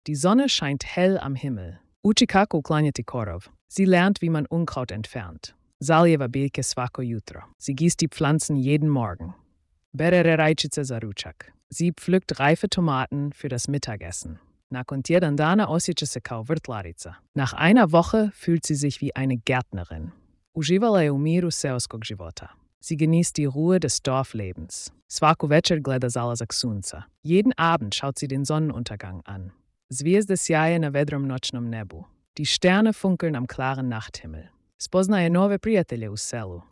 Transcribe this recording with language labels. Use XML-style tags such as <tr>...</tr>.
<de>Die Sonne scheint hell am Himmel.</de> <hr>Uči kako uklanjati korov.</hr> <de>Sie lernt, wie man Unkraut entfernt.</de> <hr>Zalijeva biljke svako jutro.</hr> <de>Sie gießt die Pflanzen jeden Morgen.</de> <hr>Bere rajčice za ručak.</hr> <de>Sie pflückt reife Tomaten für das Mittagessen.</de> <hr>Nakon tjedan dana osjeća se kao vrtlarica.</hr> <de>Nach einer Woche fühlt sie sich wie eine Gärtnerin.</de> <hr>Uživala je u miru seoskog života.</hr> <de>Sie genießt die Ruhe des Dorflebens.</de> <hr>Svaku večer gleda zalazak sunca.</hr> <de>Jeden Abend schaut sie den Sonnenuntergang an.</de> <hr>Zvijezde sjaje na vedrom noćnom nebu.</hr> <de>Die Sterne funkeln am klaren Nachthimmel.</de> <hr>Spoznaje nove prijatelje u selu.</hr>